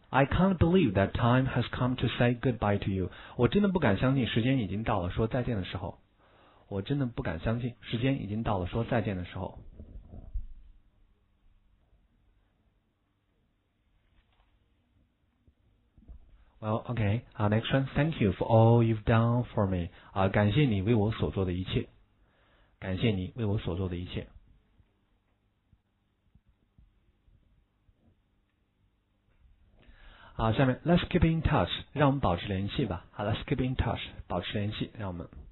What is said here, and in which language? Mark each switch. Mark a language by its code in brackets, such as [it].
[en] I can't believe that time has come to say goodbye to you. [zh] 我真的不敢相信时间已经到了说再见的时候。我真的不敢相信时间已经到了说再见的时候。 [en] Well, okay. Next one. Thank you for all you've done for me. [zh] 感谢你为我所做的一切。感谢你为我所做的一切。 [en] 好，下面 Let's keep in touch. [zh] 让我们保持联系吧。 [en] 好 ，Let's keep in touch. [zh] 保持联系，让我们。